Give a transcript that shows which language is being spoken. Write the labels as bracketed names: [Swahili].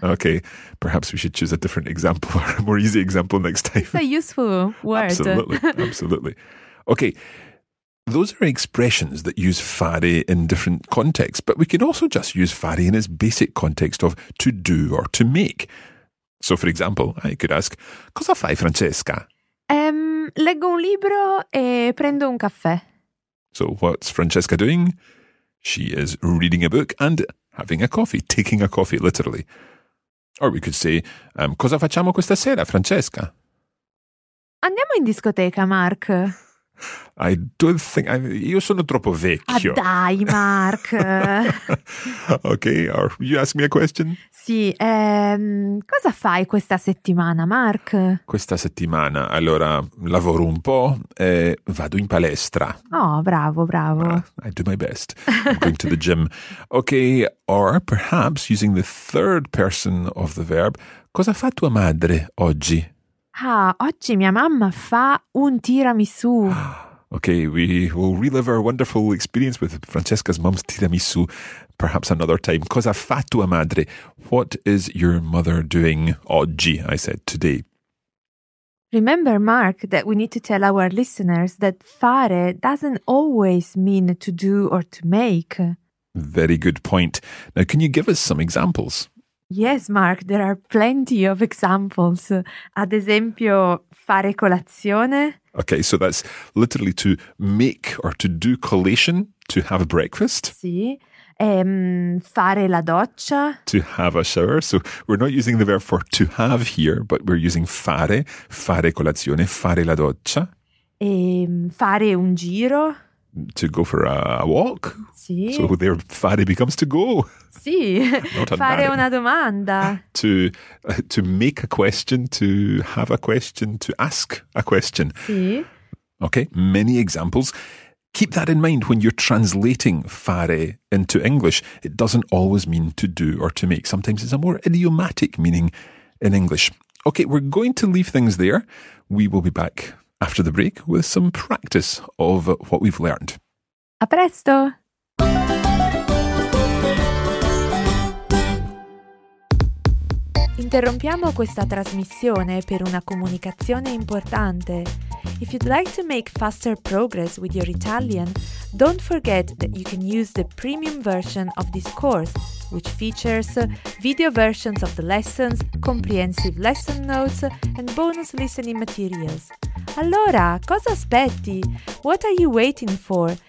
[English] Okay, perhaps we should choose a different example or a more easy example next time. It's a useful word. Absolutely, absolutely. Okay, those are expressions that use fare in different contexts, but we can also just use fare in its basic context of to do or to make. So, for example, I could ask, [Italian] cosa fai, [English] Francesca? [Italian] Leggo un libro e prendo un caffè. [English] So what's Francesca doing? She is reading a book and having a coffee, taking a coffee, literally. Or we could say, [Italian] cosa facciamo questa sera, [English] Francesca? [Italian] Andiamo in discoteca, Mark. [English] I don't think... [Italian] io sono troppo vecchio. Ah, dai, Mark. [English] Okay, or you ask me a question? [Italian] Sì, cosa fai questa settimana, Mark? Questa settimana, allora, lavoro un po', vado in palestra. Oh, bravo, bravo. [English] I do my best. I'm going to the gym. Okay, or perhaps using the third person of the verb, [Italian] cosa fa tua madre oggi? Ah, oggi mia mamma fa un tiramisù. [English] Okay, we will relive our wonderful experience with Francesca's mum's tiramisù perhaps another time. [Italian] Cosa fa tua madre? [English] What is your mother doing oggi, I said, today? Remember, Mark, that we need to tell our listeners that fare doesn't always mean to do or to make. Very good point. Now, can you give us some examples? Yes, Mark, there are plenty of examples. [Italian] Ad esempio, fare colazione. [English] Okay, so that's literally to make or to do collation, to have breakfast. [Italian] Sì. Fare la doccia. [English] To have a shower. So we're not using the verb for to have here, but we're using fare, [Italian] fare colazione, fare la doccia. Fare un giro. [English] To go for a walk. [Italian] Sì. [English] So there, fare becomes to go. [Italian] Sì. Fare una domanda. [English] To make a question, to have a question, to ask a question. [Italian] Sì. [English] Okay, many examples. Keep that in mind when you're translating fare into English. It doesn't always mean to do or to make. Sometimes it's a more idiomatic meaning in English. Okay, we're going to leave things there. We will be back after the break with some practice of what we've learned. [Italian] A presto! Interrompiamo questa trasmissione per una comunicazione importante. [English] If you'd like to make faster progress with your Italian, don't forget that you can use the premium version of this course, which features video versions of the lessons, comprehensive lesson notes, and bonus listening materials. [Italian] Allora, cosa aspetti? [English] What are you waiting for?